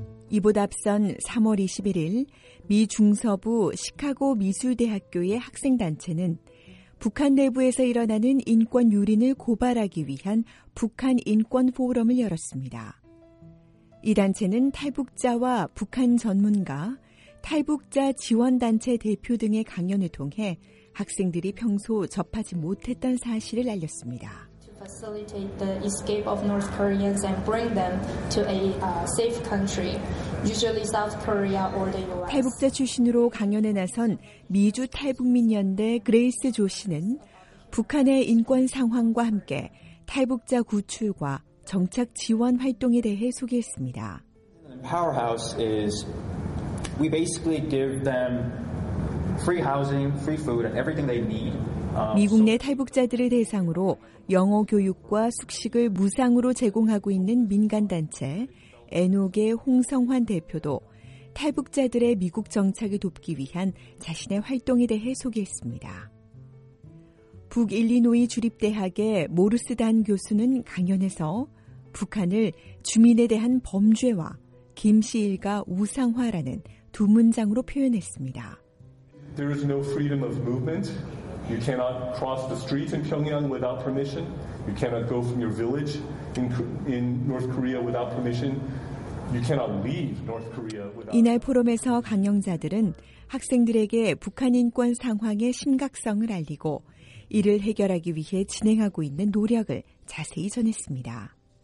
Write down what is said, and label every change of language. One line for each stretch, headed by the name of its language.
Korean: 이보다 앞선 3월 21일 미 중서부 시카고 미술대학교의 학생단체는 북한 내부에서 일어나는 인권 유린을 고발하기 위한 북한 인권 포럼을 열었습니다. 이 단체는 탈북자와 북한 전문가, 탈북자 지원단체 대표 등의 강연을 통해 학생들이 평소 접하지 못했던 사실을 알렸습니다.
English: Facilitate the escape of North Koreans and bring them to a safe country, usually South Korea or the U.S.
Korean: 탈북자 출신으로 강연에 나선 미주 탈북민연대 그레이스 조 씨는 북한의 인권 상황과 함께 탈북자 구출과 정착 지원 활동에 대해 소개했습니다.
English: Powerhouse is we basically give them free housing, free food, and everything they need.
Korean: 미국 내 탈북자들을 대상으로 영어 교육과 숙식을 무상으로 제공하고 있는 민간단체 애녹의 홍성환 대표도 탈북자들의 미국 정착을 돕기 위한 자신의 활동에 대해 소개했습니다. 북일리노이 주립대학의 모르스단 교수는 강연에서 북한을 주민에 대한 범죄와 김 씨 일가 우상화라는 두 문장으로 표현했습니다.
English: There is no freedom of movement. You cannot cross the streets in Pyongyang without permission. You cannot go from your village in North Korea without permission. You cannot leave North Korea without.
Korean: 이날 포럼에서 강연자들은 학생들에게 북한 인권 상황의 심각성을 알리고 이를 해결하기 위해 진행하고 있는 노력을 자세히 전했습니다.